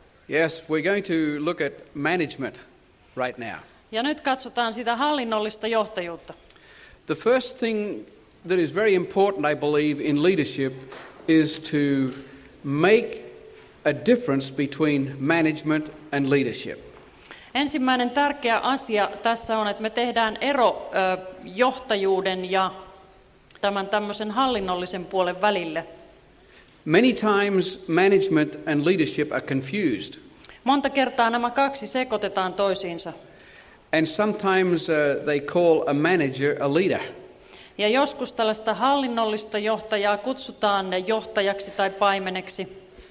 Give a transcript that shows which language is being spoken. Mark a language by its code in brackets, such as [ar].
[en] Yes, we're going to look at management right now. [fi] Ja nyt katsotaan sitä hallinnollista johtajuutta. [en] The first thing that is very important, I believe, in leadership is to make a difference between management and leadership. [fi] Ensimmäinen tärkeä asia tässä on, että me tehdään ero johtajuuden ja tämän tämmöisen hallinnollisen puolen välille. [en] Many times management and leadership are confused. [fi] Monta kertaa nämä kaksi sekoitetaan toisiinsa. [en] And sometimes they call a manager a leader. [fi] Ja joskus tällaista hallinnollista johtajaa kutsutaan johtajaksi tai paimeneksi.